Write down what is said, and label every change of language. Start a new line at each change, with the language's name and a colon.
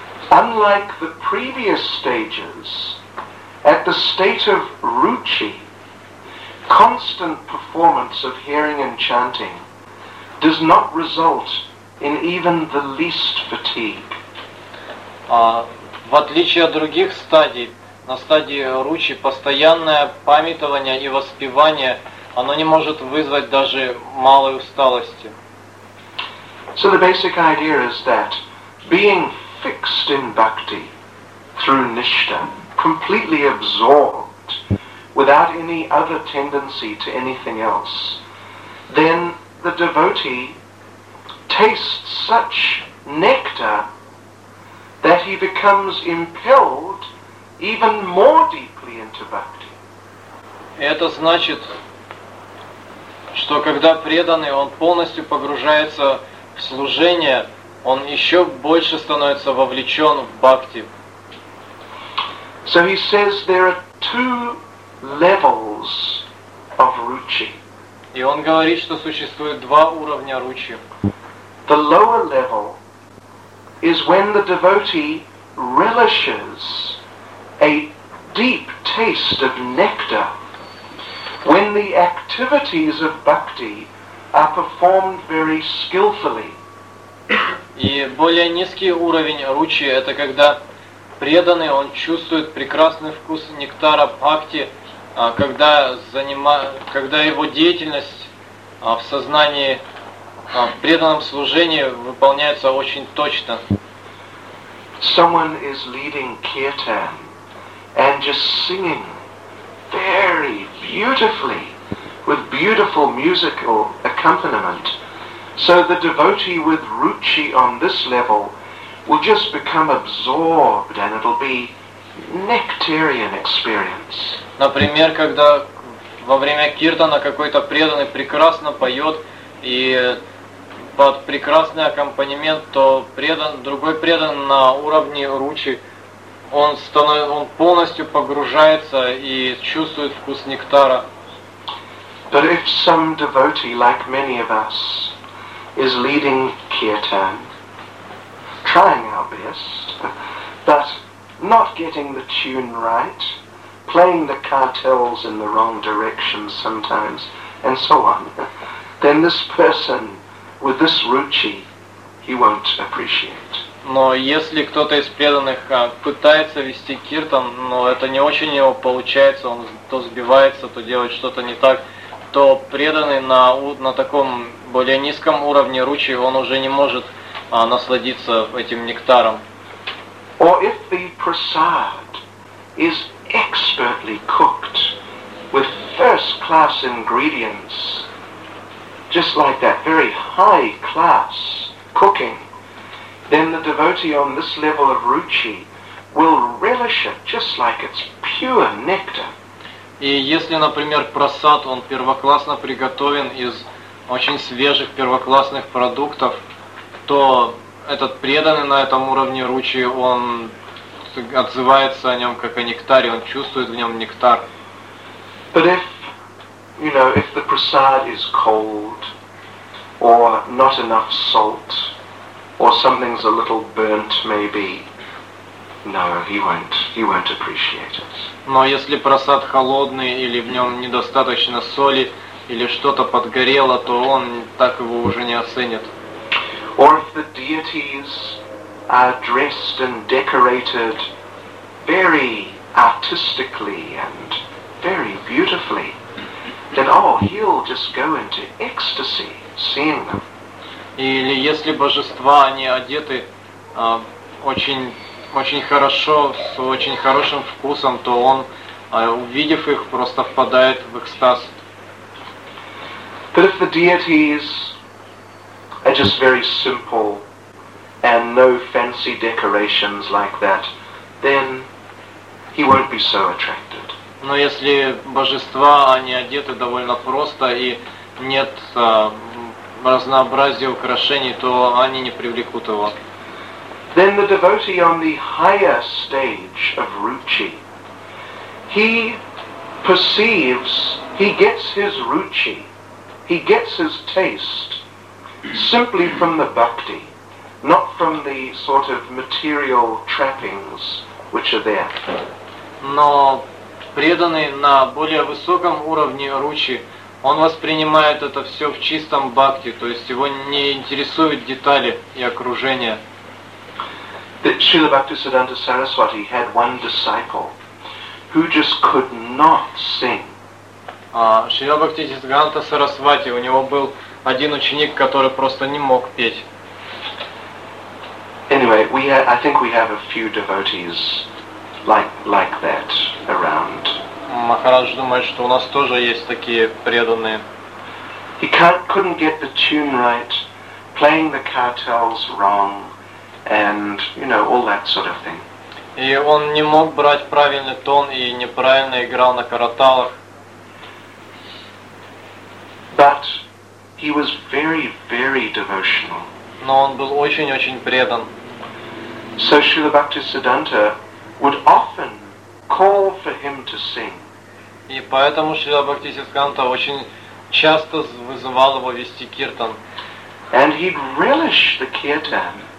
English: Unlike the previous stages, at the state of ruchi, constant performance of hearing and chanting does not result in even the least fatigue.
Russian: В отличие от других стадий, на стадии ручи постоянное памятование и воспевание, оно не может вызвать даже малой усталости.
English: So the basic idea is that being fixed in bhakti through nishtha, completely absorbed, without any other tendency to anything else, then the devotee tastes such nectar that he becomes impelled even more deeply into bhakti.
Russian: Это значит, что когда преданный, он полностью погружается в служение, он еще больше становится вовлечен в бхакти.
English: So he says there are two levels of ruchi.
Russian: И он говорит, что существует два уровня ручи.
English: The lower level is when the devotee relishes a deep taste of nectar when the activities of bhakti are performed very skillfully.
Russian: И более низкий уровень ручи – это когда преданный, он чувствует прекрасный вкус нектара бхакти, когда, когда его деятельность в сознании, в преданном служении выполняется очень точно.
English: Someone is leading kirtan and just singing very beautifully with beautiful musical accompaniment. So the devotee with ruchi on this level will just become absorbed and it'll be nectarian experience.
Russian: Например, когда во время киртана какой-то преданный прекрасно поет и под прекрасный аккомпанемент, то другой преданный на уровне ручи, он полностью погружается и чувствует вкус нектара.
English: But if some devotee, like many of us, is leading kirtan, trying our best, but not getting the tune right, playing the cartels in the wrong direction sometimes, and so on, then this person with this ruchi, he won't appreciate.
Russian: Но если кто-то из преданных пытается вести киртан, но это не очень его получается, он то сбивается, то делает что-то не так, то преданный на таком более низком уровне ручи, он уже не может насладиться этим нектаром.
English: Or if the prasad is expertly cooked with first-class ingredients, just like that, very high-class cooking, then the devotee on this level of ruchi will relish it just like it's pure nectar.
Russian: И если, например, прасад, он первоклассно приготовлен из очень свежих первоклассных продуктов, то этот преданный на этом уровне ручи, он отзывается о нем как о нектаре, он чувствует в нем нектар.
English: But if, you know, if the prasad is cold, or not enough salt, or something's a little burnt maybe, no, he won't appreciate it.
Russian: Но если просад холодный или в нем недостаточно соли или что-то подгорело, то он так его уже не оценит.
English: Or if the deities are dressed and decorated very artistically and very beautifully, then oh, he'll just go into ecstasy seeing them.
Russian: Или если божества, они одеты очень хорошо, с очень хорошим вкусом, то он, увидев их, просто впадает в экстаз.
English: But if the deities are just very simple and no fancy decorations like that, then he won't be so attracted.
Russian: Но если божества, они одеты довольно просто и нет разнообразия украшений, то они не привлекут его.
English: Then the devotee on the higher stage of ruchi, he perceives, he gets his ruchi, he gets his taste simply from the bhakti, not from the sort of material trappings which are there.
Russian: Но преданный на более высоком уровне ручи, он воспринимает это все в чистом бхакти, то есть его не интересуют детали и окружение.
English: Śrīla Bhaktisiddhanta Saraswati had one disciple who just could not sing.
Russian: Śrīla Bhaktisiddhanta Saraswati, у него был один ученик, который просто не мог петь.
English: Anyway, I think we have a few devotees like that around.
Russian: Махарадж думает, что у нас тоже есть такие преданные.
English: He couldn't get the tune right, playing the cartels wrong, and you know all that sort of thing.
Russian: И он не мог брать правильный тон и неправильно играл на караталах.
English: But he was very, very devotional.
Russian: Но он был очень-очень предан.
English: So Śrīla Bhaktisiddhanta would often call for him to sing.
Russian: И поэтому Śrīla Bhaktisiddhanta очень часто вызывал его вести киртан.
English: And he'd relish the kirtan.